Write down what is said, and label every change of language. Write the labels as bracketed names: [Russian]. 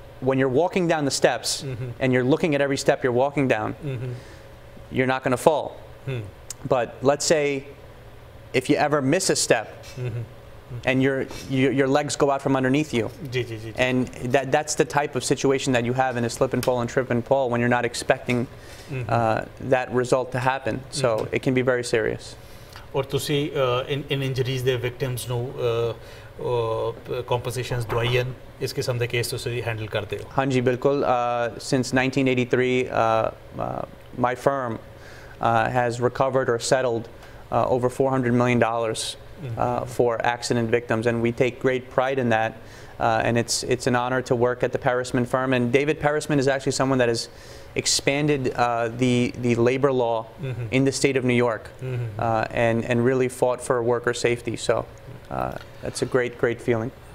[English] When you're walking down the steps mm-hmm. and you're looking at every step you're walking down, mm-hmm. you're not gonna fall. Mm-hmm. But let's say if you ever miss a step mm-hmm. and your legs go out from underneath you, and that's the type of situation that you have in a slip and fall and trip and fall when you're not expecting mm-hmm. That result to happen. So mm-hmm. it can be very serious. [Punjabi] ਔਰ ਤੁਸੀਂ ਇਨ injuries ਦੇ victims ਨੂੰ ਕੰਪਨਸੇਸ਼ਨਸ ਦਵਾਈਆਂ ਇਸ ਕਿਸਮ ਦੇ case ਤੁਸੀਂ handle ਕਰਦੇ ਹੋ? ਹਾਂਜੀ ਬਿਲਕੁਲ, [English] Since 1983 my firm has recovered or settled over $400 million for accident victims, and we take great pride in that, and it's an honour to work at the Perecman firm. And David Perecman is actually someone that is expanded the labor law mm-hmm. in the state of New York mm-hmm. and really fought for worker safety. So that's a great feeling.